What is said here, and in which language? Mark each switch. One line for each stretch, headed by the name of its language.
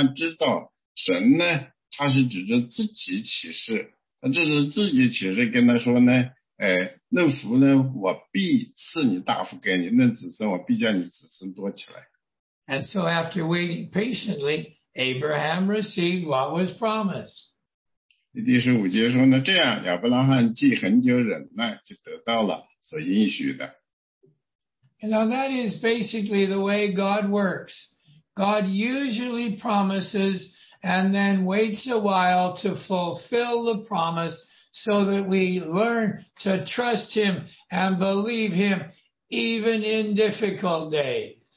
Chinese: 因为亚伯拉罕知道神呢, 他是指着自己起誓, 他指着自己起誓跟他说呢, 论福呢, 我必赐你大福给你, 论子孙, 我必叫你子孙多起来。
English: And so after waiting patiently, Abraham received what was promised.
Chinese: 第15节说呢, 这样, 亚伯拉罕既很久忍耐, 就得到了所应许的。
English: Now that is basically the way God works. God usually promises and then waits a while to fulfill the promise so that we learn to trust him and believe him even in difficult days.